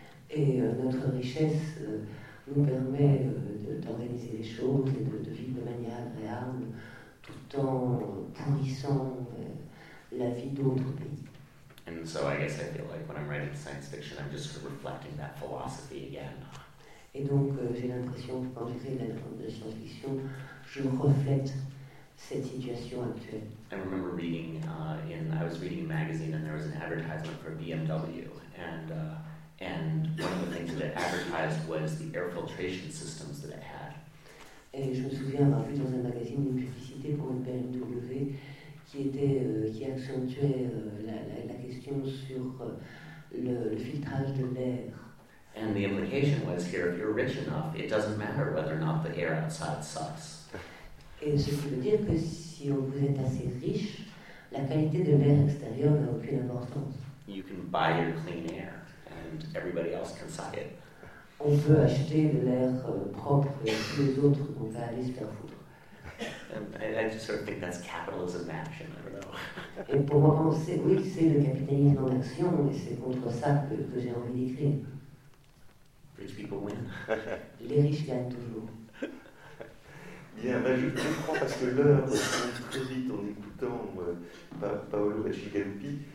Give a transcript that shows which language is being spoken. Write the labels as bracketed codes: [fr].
[fr] Et notre richesse nous permet d'organiser les choses et de vivre de manière agréable, tout en pourrissant la vie d'autres pays. [en] And so I guess I feel like when I'm writing science fiction, I'm just reflecting that philosophy again. [fr] Et donc j'ai l'impression que quand j'écris de la science fiction, je reflète cette situation actuelle. [en] I remember reading I was reading a magazine and there was an advertisement for BMW, and one of the things that it advertised was the air filtration systems that it had. [fr] Et je me souviens avoir vu dans un magazine une publicité pour une BMW qui accentuait la question sur le filtrage de l'air. [en] And the implication was here, if you're rich enough, it doesn't matter whether or not the air outside sucks. [fr] Et ce qui veut dire que si vous êtes assez riche, la qualité de l'air extérieur n'a aucune importance. [en] You can buy your clean air, and everybody else can suck it. [fr] On peut acheter de l'air propre et tous les autres vont aller se faire foutre. [en] I just sort of think that's capitalism in action, I don't know. [fr] Et pour moi, oui, c'est le capitalisme en action, et c'est contre ça que j'ai envie d'écrire. [en] Rich people win. [fr] Les riches gagnent toujours. Bien, ben je comprends parce que l'heure passe très vite en écoutant Paolo Acigalupi.